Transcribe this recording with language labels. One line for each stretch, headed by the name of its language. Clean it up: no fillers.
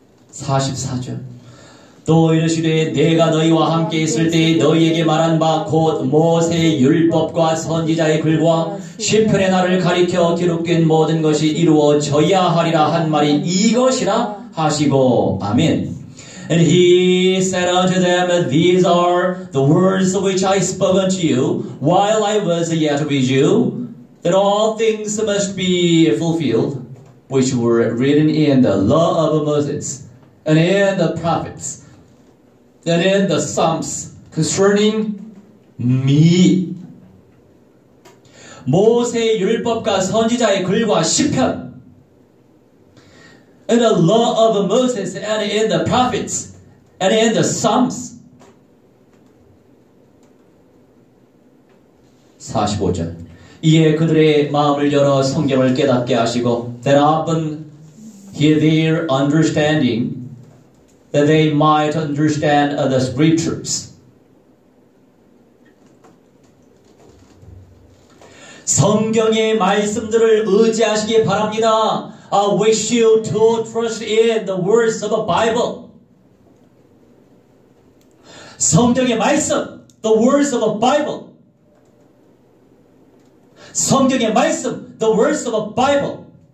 Korean: 44절 또 이르시되 내가 너희와 함께 있을 때 너희에게 말한 바 곧 모세의 율법과 선지자의 글과 시편의 나를 가리켜 기록된 모든 것이 이루어져야 하리라 한 말이 이것이라 하시고 아멘
English: And he said unto them These are the words which I spoke unto you while I was yet with you that all things must be fulfilled which were written in the law of Moses And in the prophets, and in the Psalms concerning me.
Korean: 모세의 율법과 선지자의 글과 시편.
English: In the law of Moses, and in the prophets, and in the Psalms.
Korean: 45절. 이에 그들의 마음을 열어 성경을 깨닫게 하시고,
English: then open their understanding. That they might understand the scriptures.
Korean: 성경의 말씀들을 의지하시기 바랍니다.
English: I wish you to trust in the words of the Bible.
Korean: 성경의 말씀,
English: the words of the Bible.
Korean: 성경의 말씀,
English: the words of the Bible.